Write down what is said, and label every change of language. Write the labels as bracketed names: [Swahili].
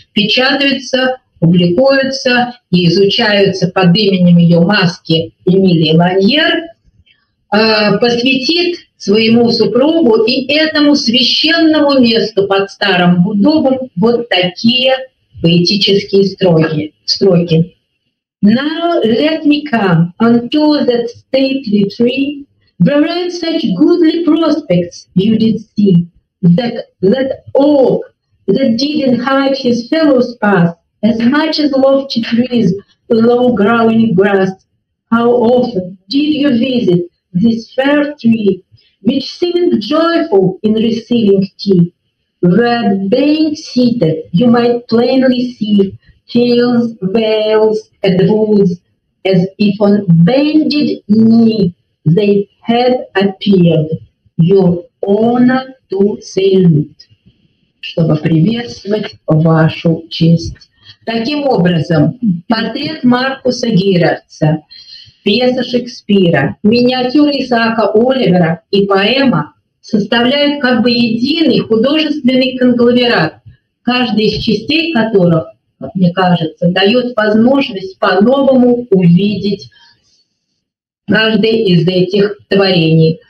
[Russian] печатаются, публикуются и изучаются под именем ее маски Эмилии Ланьер, посвятит своему супругу и этому священному месту под старым дубом вот такие поэтические строки. [English] Now let me come unto that stately tree, wherein such goodly prospects you did see, that oak that didn't hide his fellow's path, as much as lofty trees, low growing grass. How often did you visit this fair tree, which seemed joyful in receiving tea, where being seated you might plainly see hills, vales, and woods, as if on bended knee they had appeared, your honor to salute, [Russian] чтобы приветствовать вашу честь. Таким образом, портрет Маркуса Гирардса, пьеса Шекспира, миниатюра Исаака Оливера и поэма составляют как бы единый художественный конгломерат, каждая из частей которых, мне кажется, дает возможность по-новому увидеть каждый из этих творений.